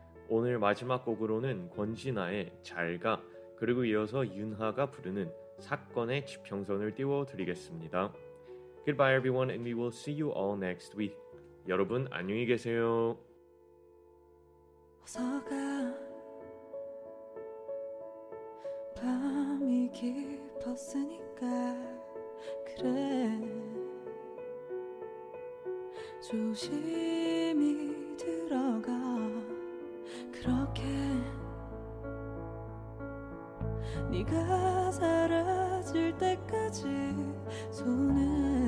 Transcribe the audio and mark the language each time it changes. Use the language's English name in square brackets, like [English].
[Korean] 오늘 마지막 곡으로는 권진아의 잘가, 그리고 이어서 윤하가 부르는 사건의 지평선을 띄워드리겠습니다. [English] Goodbye everyone and we will see you all next week. [Korean] 여러분 안녕히 계세요. 어서가 밤이 깊었으니까 그래 조심히 들어가 그렇게 네가 사라질 때까지 손을